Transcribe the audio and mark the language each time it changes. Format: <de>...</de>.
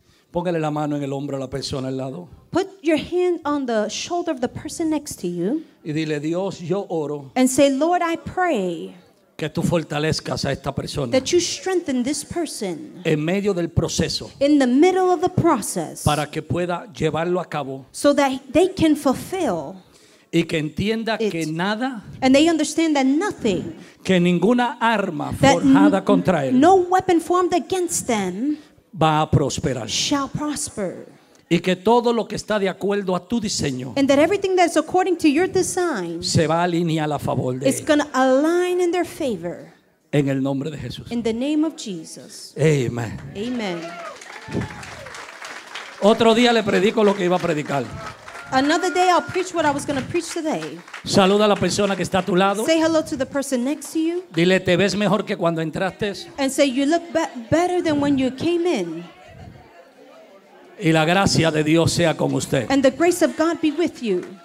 <es>Póngale la mano en el hombro a la persona al lado.</es> <en>Put your hand on the shoulder of the person next to you.</en> <es>Y dile, Dios, yo oro.</es> <en>And say, Lord, I pray.</en> <es>Que tú fortalezcas a esta persona.</es> <en>That you strengthen this person.</en> <es>En medio del proceso.</es> <en>In the middle of the process.</en> <es>Para que pueda llevarlo a cabo.</es> <en>So that they can fulfill.</en> <es>Y que entienda que nada.</es> <en>And they understand that nothing.</en> <es>Que ninguna arma forjada contra él.</es> <en>No weapon formed against them.</en> <es>Va a prosperar.</es> <en>Shall prosper.</en> <es>Y que todo lo que está de acuerdo a tu diseño.</es> <en>And that everything that's according to your design.</en> <es>Se va a alinear a favor de</es> <en>él. It's going to align in their favor.</en> <es>En el nombre de Jesús.</es> <en>In the name of Jesus. Amen. Amen.</en> <es>Otro día le predico lo que iba a predicar.</es> <en>Another day I'll preach what I was going to preach today.</en> <es>Saluda a la persona que está a tu lado.</es> <en>Say hello to the person next to you.</en> <es>Dile, te ves mejor que cuando entraste.</es> <en>And say you look better than when you came in.</en> <es>Y la gracia de Dios sea con usted.</es> <en>And the grace of God be with you.</en>